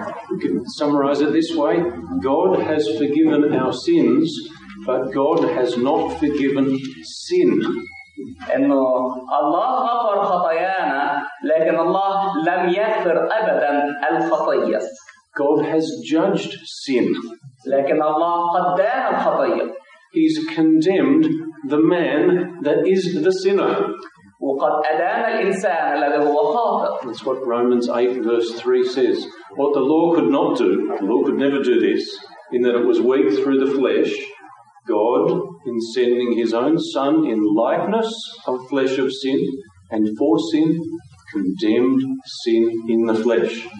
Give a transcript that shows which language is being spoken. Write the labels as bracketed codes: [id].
[en] We can summarize it this way: God has forgiven our sins, but God has not forgiven sin. [ar] إنه الله غفر خطايانا لكن الله لم يغفر أبدا الخطية. [en] God has judged sin. [ar] لكن الله قدام الخطية. [en] He's condemned the man that is the sinner. [ar] وقد أدان الإنسان الذي هو خاطئ. [en] That's what Romans 8 verse 3 says. What the law could not do, the law could never do this, in that it was weak through the flesh, God, in sending His own Son in likeness of flesh of sin and for sin, condemned sin in the flesh.